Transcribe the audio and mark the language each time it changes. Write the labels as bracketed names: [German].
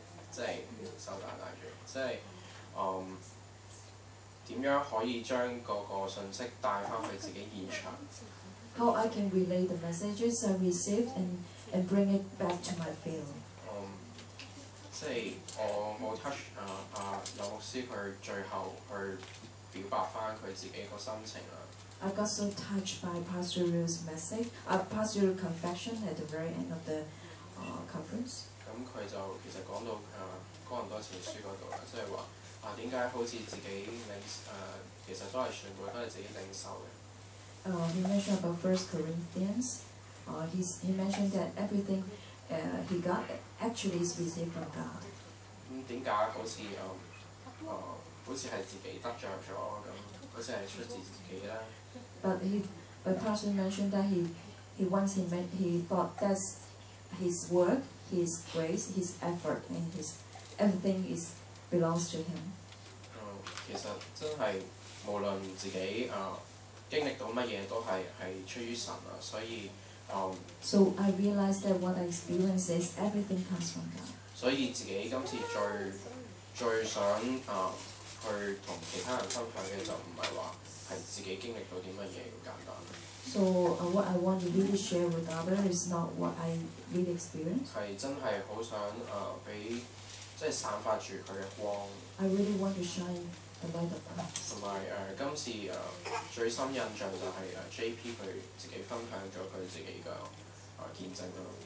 [Cantonese] 即係手打大嘴，即係點樣可以將嗰個信息帶翻去自己現場 [English] ？How I can relay the messages I received and bring it back to my field？ [Cantonese] 即係我 touch 有牧師佢最後去表白翻佢自己個心情啦。 [English] I got so touched by Pastor Ru's message, Pastor Ru's confession at the very end of the conference. [Cantonese] 咁佢就其實講到哥林多前書嗰度啦，即係話點解好似自己領其實都係全部都係自己領受嘅。 [English] He mentioned about First Corinthians. He mentioned that everything he got actually is received from God. [Cantonese] 咁點解好似好似係自己得著咗咁？好似係出自自己啦。 [English] But Pastor mentioned that he thought that's his work, his grace, his effort, and his everything is belongs to him. [Cantonese] 其實真係無論自己經歷到乜嘢，都係出於神啊。所以 [English] So I realized that what I experience is everything comes from God. [Cantonese] 所以自己今次最想去同其他人分享嘅就唔係話。係自己經歷到啲乜嘢咁簡單。 [English] So what I want to really share with others is not what I really experienced. [Cantonese] 係真係好想俾即係散發住佢嘅光。 [English] I really want to shine the light of Christ. [Cantonese] 同埋今次最深印象就係JP 佢自己分享咗佢自己嘅見證咯。